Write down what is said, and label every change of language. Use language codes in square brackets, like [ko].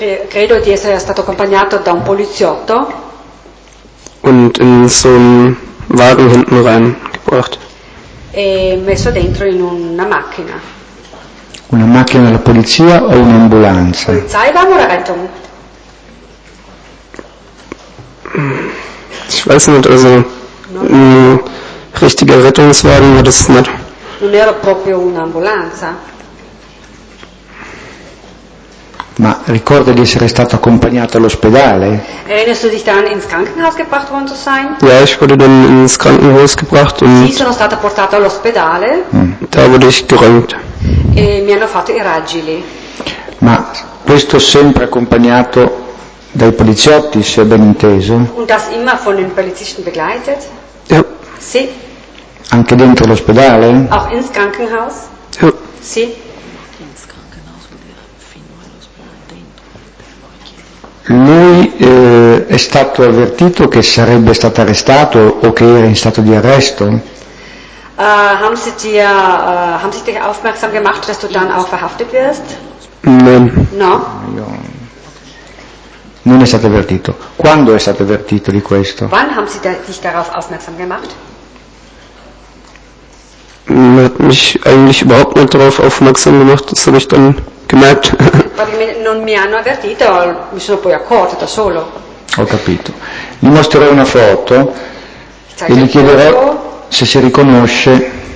[it] Credo di essere stato accompagnato da un poliziotto. [de] Und in so einen Wagen hinten reingebracht. [it] E messo dentro in una macchina. Una macchina della polizia o un'ambulanza? [de] Polizeiwagen oder Rettung? Ich weiß nicht, also ein richtiger Rettungswagen war das nicht. [it] Non era proprio un'ambulanza. Ma ricorda di essere stato accompagnato all'ospedale? [de] Erinnerst du dich dann ins Krankenhaus gebracht worden zu sein? Ja, ich wurde dann ins Krankenhaus gebracht und [it] sì, sono stata portata all'ospedale. [de] Da wurde ich geröntgt. [it] E mi hanno fatto i raggi lì. Ma questo sempre accompagnato dai poliziotti, se ho ben inteso? [de] Und das immer von den Polizisten begleitet? Ja. [it] Sì. Anche dentro l'ospedale? [de] Auch ins Krankenhaus? Ja. [it] Sì. Lui è stato avvertito che sarebbe stato arrestato o che era in stato di arresto? [de] Haben sie dich aufmerksam gemacht, dass du dann auch verhaftet wirst? Nein. [it] No. Non è stato avvertito. Quando è stato avvertito di questo? [de] Wann haben sie dich darauf aufmerksam gemacht? Man hat mich eigentlich überhaupt nicht darauf aufmerksam gemacht, das habe ich dann gemerkt. [it] Non mi hanno avvertito, mi sono poi accorto da solo. Ho capito. Gli mostrerò una foto e gli chiederò se si riconosce.